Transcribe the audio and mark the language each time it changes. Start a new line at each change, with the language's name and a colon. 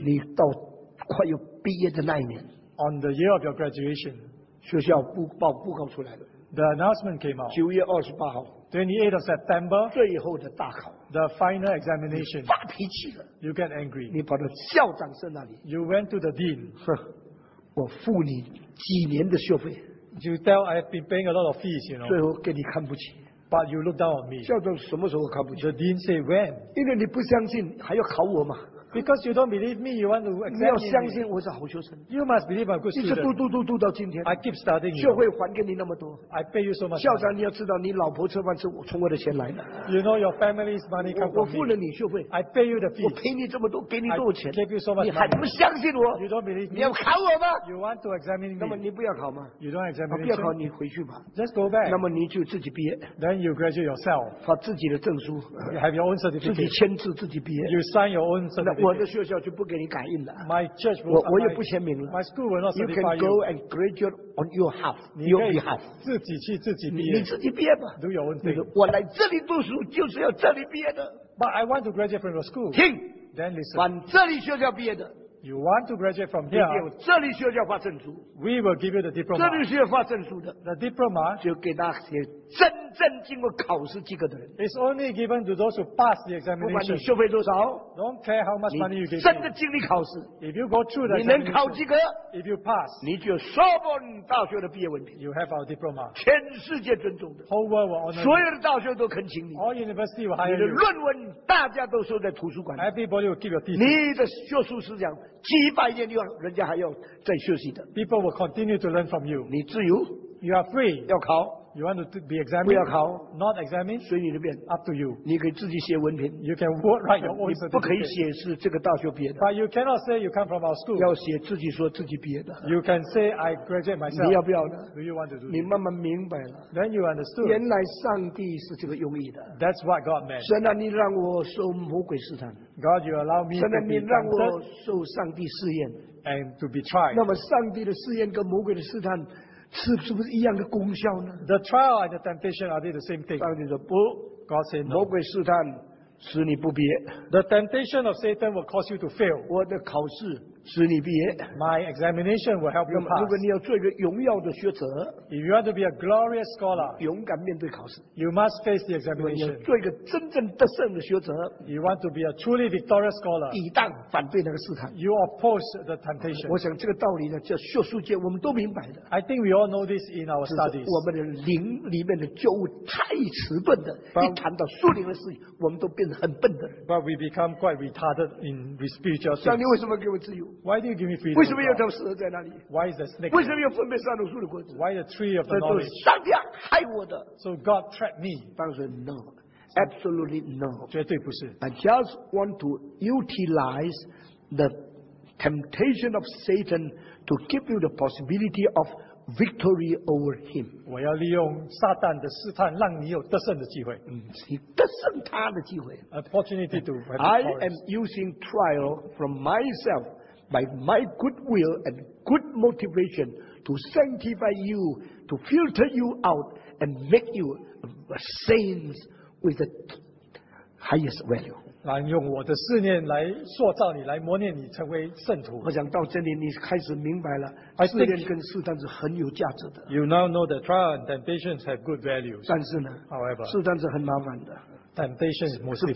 Chinese: 你到快要毕业的那一年,
English: on the year of your graduation,
Chinese: 学校报告出来了,
English: the announcement came out.
Chinese: 9月28号,
English: 28th of September,
Chinese: 最后的大考,
English: the final examination,
Chinese: 你发脾气了,
English: you get angry.
Chinese: 你跑到校长室那里,
English: you went to the dean.
Chinese: 我付你几年的学费,
English: you tell I've been paying a lot of fees, you know.
Chinese: 最后给你看不起,
English: but you look down on me.
Chinese: 校长什么时候看不起?
English: The dean said, when?
Chinese: 因为你不相信, 还要考我吗?
English: Because you don't believe me, you want to examine me. You must believe I'm a good student. I keep studying.
Chinese: 学会还给你那么多,
English: I pay you so much.
Chinese: 校长你要知道你老婆吃饭是我从我的钱来的,
English: you know your family's money comes from me.
Chinese: 我付了你学费,
English: I pay you the fees.
Chinese: 我赔你这么多, 给你多少钱,
English: I give you so much
Chinese: 你还不相信我,
English: you don't believe me.
Chinese: 你要考我吗?
English: You want to examine me.
Chinese: 那么你不要考吗?
English: You don't examine me.
Chinese: 不要考, 你回去吧,
English: just go back.
Chinese: 那么你就自己毕业,
English: then you graduate yourself.
Chinese: 把自己的证书,
English: you have your own certificate.
Chinese: 自己签字, 自己毕业,
English: you sign your own certificate.
Chinese: 我的学校就不给你感应了,
English: my church will,
Chinese: 我也不签名了,
English: my school will not certify you. You can go and graduate on your half, your behalf.
Chinese: 自己去自己毕业, 你自己毕业吧,
English: do your own thing.
Chinese: 我来这里读书就是要这里毕业的,
English: but I want to graduate from your school.
Chinese: 听,
English: then listen.
Chinese: 往这里学校毕业的,
English: you want to graduate from here,
Chinese: 这里学校发证书,
English: we will give you the diploma.
Chinese: 这里学校发证书的,
English: the diploma
Chinese: 就给那些真正经过考试及格的人,
English: it's only given to those who pass the examination.
Chinese: 不管你学费多少,
English: don't care how much money you give,
Chinese: 真的经历考试,
English: if you go through the
Chinese: 你能考及格,
English: if you pass,
Chinese: 你就有硕博大学的毕业文凭,
English: you have our diploma.
Chinese: 全世界尊重的,
English: whole world will honor,
Chinese: 所有的大学都恳请你,
English: all university will hire you.
Chinese: 你的论文 大家都收在图书馆,
English: everybody will keep your thesis.
Chinese: 你的学术思想 几百年的话人家还要再学习的,
English: people will continue to learn from you.
Chinese: 你自由,
English: you are free.
Chinese: 要考,
English: you want to be examined?
Chinese: 不要考,
English: not examined?
Chinese: 随你的便,
English: up to you.
Chinese: 你可以自己写文凭,
English: you can write your own certificate.
Chinese: 你不可以写是这个大学毕业的,
English: but you cannot say you come from our school.
Chinese: 要写自己说自己毕业的,
English: you can say I graduate myself.
Chinese: 你要不要呢?
English: Do you want to do it?
Chinese: 你慢慢明白了,
English: then you understood.
Chinese: 原来上帝是这个用意的,
English: that's what God meant.
Chinese: 神啊你让我受魔鬼试探,
English: God you allow me to be tempted.
Chinese: 神啊你让我受上帝试验,
English: and to be tried.
Chinese: 那么上帝的试验跟魔鬼的试探, 是不是一样的功效呢?
English: The trial and the temptation, are they the same thing?
Chinese: 上帝说不,
English: God said no.
Chinese: 魔鬼试探使你不毕业,
English: the temptation of Satan will cause you to fail.
Chinese: 我的考试使你毕业,
English: my examination will help you pass.
Chinese: 如果你要做一个荣耀的学者,
English: if you want to be a glorious scholar,
Chinese: 勇敢面对考试,
English: you must face the examination.
Chinese: 如果你要做一个真正得胜的学者,
English: you want to be a truly victorious scholar,
Chinese: 抵挡反对那个试探,
English: you oppose the temptation.
Chinese: 我想这个道理呢, 这学术界我们都明白的,
English: I think we all know this in our studies.
Chinese: 我们的灵里面的觉悟太迟钝的, 一谈到树林的事情, 我们都变得很笨的人,
English: but we become quite retarded in spiritual sense.
Chinese: 上帝为什么给我自由?
English: Why do you give me freedom?
Chinese: 为什么有条蛇在那里?
English: Why is the snake?
Chinese: 为什么有分别三种树的果子?
English: Why the tree of the knowledge?
Chinese: 上帝害我的,
English: so God trapped me.
Chinese: 当时,
English: no, absolutely no.
Chinese: 绝对不是,
English: I just want to utilize the temptation of Satan to give you the possibility of victory over him.
Chinese: 我要利用撒旦的试探让你有得胜的机会, 得胜他的机会,
English: opportunity to have victory. I am using trial from myself by my good will and good motivation to sanctify you, to filter you out and make you a saint with the highest value.
Chinese: 用我的试炼来塑造你，来磨练你，成为圣徒。我想到这里，你开始明白了, 试炼跟试探是很有价值的。
English: You now know that trial and temptations have good values.
Chinese: 但是呢,
English: however,
Chinese: 试探是很麻烦的。
English: Temptation is most difficult.